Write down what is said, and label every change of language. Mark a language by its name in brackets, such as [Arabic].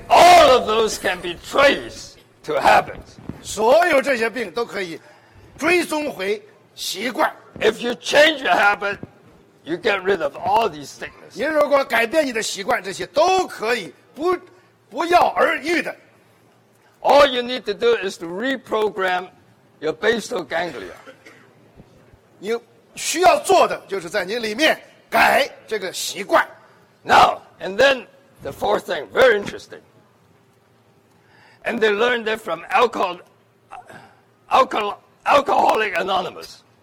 [English] All of those can be traced to habits. [Chinese] 所有这些病都可以追踪回习惯。 [English] If you change your habit, you get rid of all these sicknesses. [Chinese] 您如果改变你的习惯，这些都可以不药而愈的。 [English] All you need to do is to reprogram your basal ganglia. [Chinese] 你需要做的就是在你里面改这个习惯。 [English] Now, and then the fourth thing, very interesting. And they learned it from Alcoholic Anonymous.